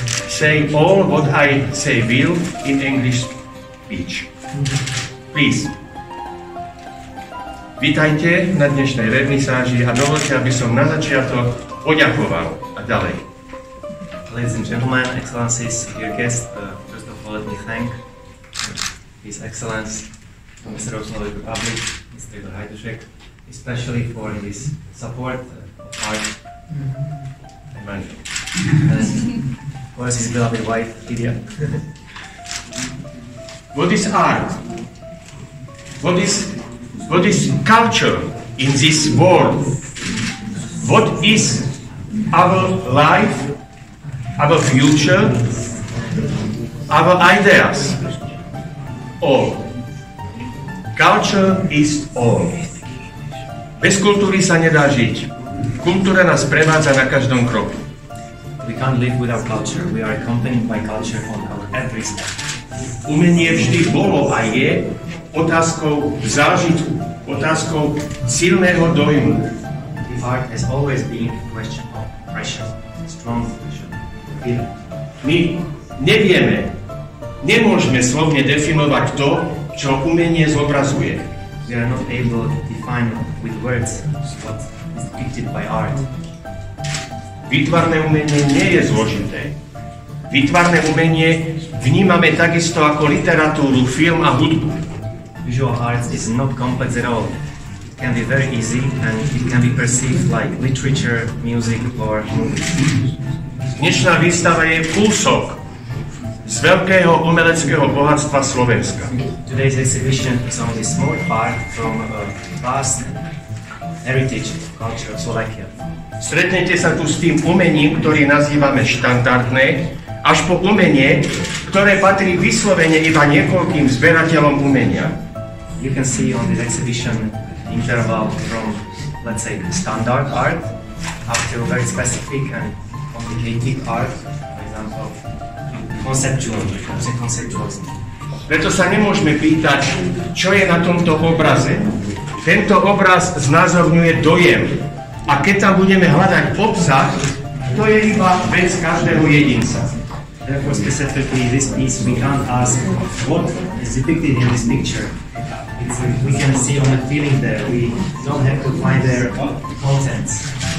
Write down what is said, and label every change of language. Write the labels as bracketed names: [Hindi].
[English] Say all what I say will in English speech. Please. [Slovak] Vítajte na dnešnej vernisáži a dovolte, aby som na začiatok poďakoval a ďalej. [English] Ladies and gentlemen, excellencies, dear guests, first of all, let me thank His Excellence, Mr. of Slovak Republic, Mr. Igor Hajdušek, especially for his support of art and money. What is beloved wife, Lydia? What is art? What is culture in this world? What is our life, our future, our ideas? All. Culture is all. [Slovak] Bez kultúry sa nedá žiť. Kultúra nás prevádza na každom kroku. [English] We can't live without culture. We are accompanied by culture on every step. [Slovak] Umenie vždy bolo a je otázkou zážitku, otázkou silného dojmu. [English] The art has always been a question of pressure, strong pressure. [Slovak] My nevieme, nemôžeme slovne definovať to, čo umenie zobrazuje. [English] We are not able to define with words what is depicted by art. [Slovak] Výtvarné umenie nie je zložité. Výtvarné umenie vnímame takisto ako literatúru, film a hudbu. [English] Visual arts is not complex at all. It can be very easy and it can be perceived like literature, music or movies. [Slovak] Dnešná výstava je kúsok z veľkého umeleckého bohatstva Slovenska. [English] Today's exhibition is only a small part from a vast heritage culture of Slovakia. [Slovak] Stretnete sa tu s tým umením, ktoré nazývame štandardné, až po umenie, ktoré patrí vyslovene iba niekoľkým zberateľom umenia. [English] You can see on this exhibition interval from, let's say, standard art up to very specific and complicated art, for example, conceptualism. [Slovak] Preto sa nemôžeme pýtať, čo je na tomto obraze. Tento obraz znázorňuje dojem. A keď tam budeme hľadať obsah, to je iba vec každého jedinca. [English] Therefore, specifically, this piece, we can't ask what is depicted in this picture. We can see on the feeling there, we don't have to find their contents.